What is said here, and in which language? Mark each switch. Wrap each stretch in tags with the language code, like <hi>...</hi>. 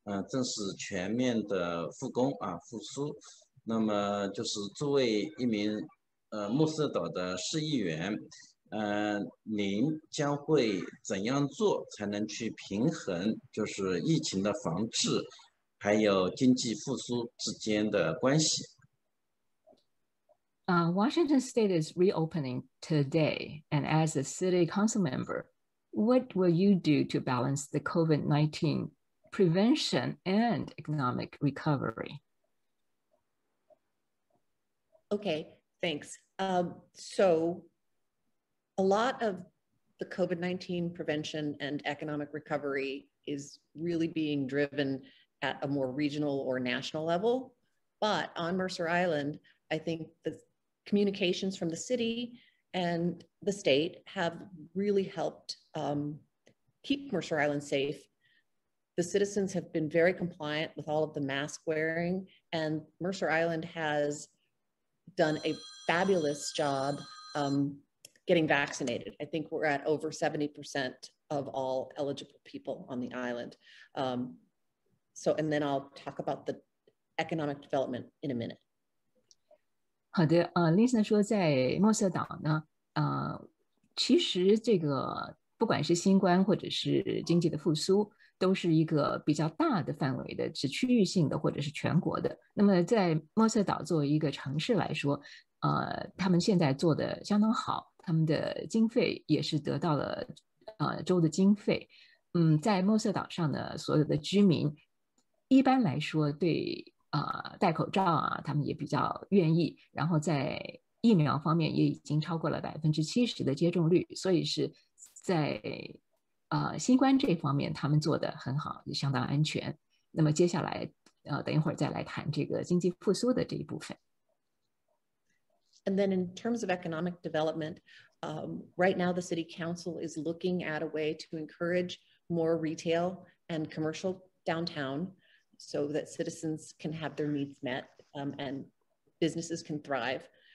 <zh>正式全面的复工啊，复苏。那么就是作为一名墨色岛的市议员，您将会怎样做才能去平衡就是疫情的防治还有经济复苏之间的关系？</zh> <en>Washington State is reopening today, and as a city council member, what will you do to balance the COVID-19prevention and economic recovery? Okay, thanks. So a lot of the COVID-19 prevention and economic recovery is really being driven at a more regional or national level. But on Mercer Island, I think the communications from the city and the state have really helped keep Mercer Island safe. The citizens have been very compliant with all of the mask wearing, and Mercer Island has done a fabulous job getting vaccinated. I think we're at over 70% of all eligible people on the island. So, and then I'll talk about the economic development in a minute.</en> <zh>好的，Lisa 说在墨色岛呢，其实这个不管是新冠或者是经济的复苏，都是一个比较大的范围的，是区域性的或者是全国的。那么在墨色岛作为一个城市来说，他们现在做的相当好，他们的经费也是得到了州的经费。在墨色岛上的所有的居民，一般来说对戴口罩啊，他们也比较愿意。然后在疫苗方面也已经超过了70%的接种率，所以是在新冠这方面他们做得很好，也相当安全。那么接下来等一会儿再来谈这个经济复苏的这一部分。</zh> <en>And then in terms of economic development, right now the city council is looking at a way to encourage more retail and commercial downtown so that citizens can have their needs met and businesses can thrive.</en>